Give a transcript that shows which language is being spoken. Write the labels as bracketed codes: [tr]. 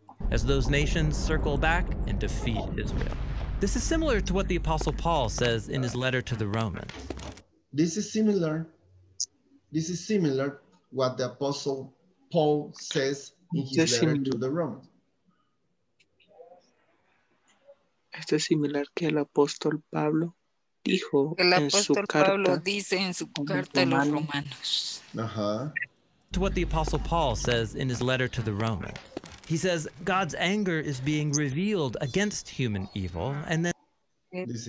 [en] As those nations circle back and defeat Israel. This is similar to what the Apostle Paul says in his letter to the Romans. This is similar what the Apostle Paul says in his letter to the Romans. [es] Esto es similar que el apóstol Pablo dijo el apóstol en su carta. Pablo dice en su carta a los Romanos. [en] To what the Apostle Paul says in his letter to the Romans. He says God's anger is being revealed against human evil, and then